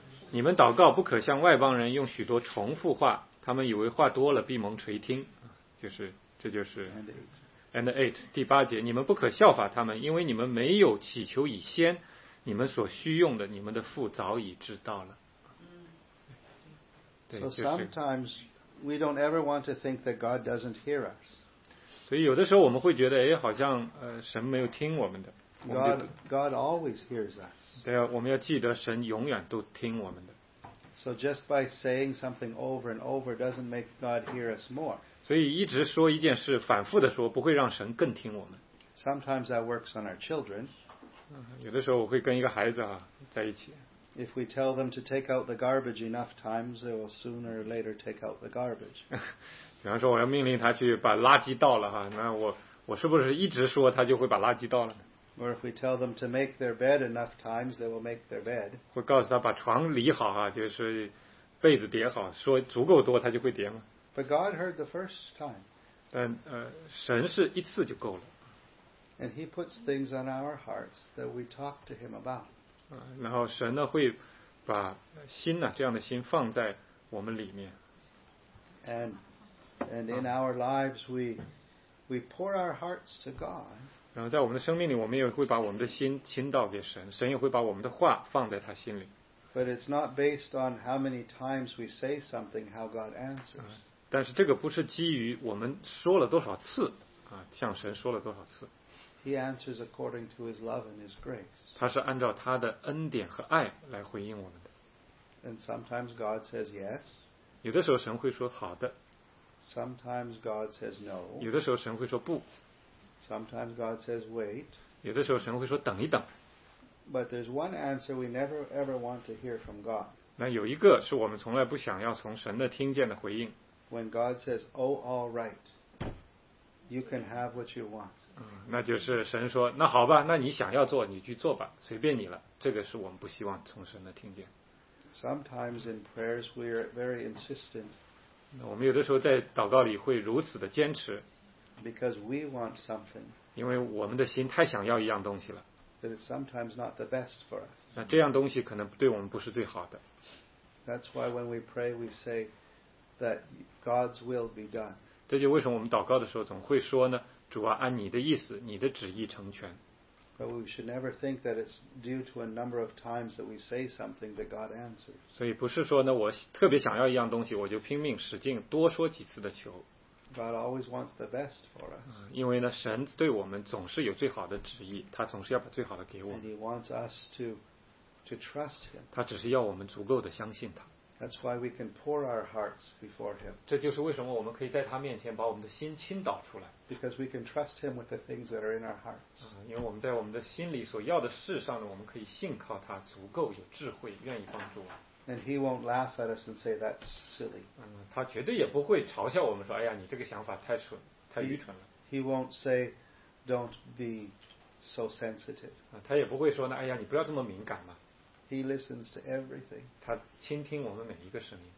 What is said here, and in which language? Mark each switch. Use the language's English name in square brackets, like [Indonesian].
[Chinese] 你们祷告不可像外邦人用许多重复话，他们以为话多了必蒙垂听。这就是 [English] And eight. [Chinese] 第八节，你们不可效法他们，因为你们没有祈求以先，你们所需用的，你们的父早已知道了。 [English] So sometimes we don't ever want to think that God doesn't hear us. [Chinese] 所以有的时候我们会觉得，哎，好像神没有听我们的。 [English] God always hears us. [Chinese] 对啊，我们要记得神永远都听我们的。 [English] So just by saying something over and over doesn't make God hear us more. [Chinese] 所以一直说一件事，反复的说，不会让神更听我们。 [English] Sometimes that works on our children. [Chinese] 有的时候我会跟一个孩子啊在一起。 [English] If we tell them to take out the garbage enough times, they will sooner or later take out the garbage. [Chinese] 比方说我要命令他去把垃圾倒了哈，那我是不是一直说他就会把垃圾倒了呢？ [English] Or if we tell them to make their bed enough times, they will make their bed. [Chinese] 会告诉他把床理好哈，就是被子叠好，说足够多他就会叠吗？ [English] But God heard the first time. [Chinese] 但神是一次就够了。 [English] And he puts things on our hearts that we talk to him about. [Chinese] 然后神呢会把心呢、啊、这样的心放在我们里面。 [English] And in our lives we pour our hearts to God. [Chinese] 然后在我们的生命里，我们也会把我们的心倾倒给神，神也会把我们的话放在他心里。 [English] But it's not based on how many times we say something, how God answers. [Chinese] 但是这个不是基于我们说了多少次啊，向神说了多少次。 [English] He answers according to his love and his grace. [Chinese] 他是按照他的恩典和爱来回应我们的。 [English] And sometimes God says yes. [Chinese] 有的时候神会说好的。 [English] Sometimes God says no. [Chinese] 有的时候神会说不。 [English] Sometimes God says wait. [Chinese] 有的时候神会说等一等。 [English] But there's one answer we never ever want to hear from God. [Chinese] 那有一个是我们从来不想要从神的听见的回应。 [English] When God says, oh, all right, you can have what you want. [Chinese] 那就是神说，那好吧，那你想要做你去做吧，随便你了。这个是我们不希望从神的听见。 [English] Sometimes in prayers we are very insistent. [Chinese] 那我们有的时候在祷告里会如此的坚持。 [English] Because we want something. [Chinese] 因为我们的心太想要一样东西了。 [English] That is sometimes not the best for us. [Chinese] 那这样东西可能对我们不是最好的。 [English] That's why when we pray we say that God's will be done. [Chinese] 这就为什么我们祷告的时候总会说呢？主啊，按你的意思，你的旨意成全。 [English] But we should never think that it's due to a number of times that we say something that God answers. [Chinese] 所以不是说呢，我特别想要一样东西，我就拼命使劲多说几次的求。 [English] God always wants the best for us. [Chinese] 因为呢，神对我们总是有最好的旨意，他总是要把最好的给我们。 [English] And he wants us to trust him. [Chinese] 他只是要我们足够的相信他。 [English] That's why we can pour our hearts before him. [Chinese] 这就是为什么我们可以在他面前把我们的心倾倒出来。 [English] Because we can trust him with the things that are in our hearts. [Chinese] 因为我们在我们的心里所要的事上呢，我们可以信靠他，足够有智慧，愿意帮助我。 [English] And he won't laugh at us and say that's silly. [Chinese] 他绝对也不会嘲笑我们说，哎呀，你这个想法太蠢，太愚蠢了。 [English] He won't say, don't be so sensitive. [Chinese] 他也不会说呢，哎呀，你不要这么敏感嘛。 [English] He listens to everything. [Chinese] 他倾听我们每一个声音。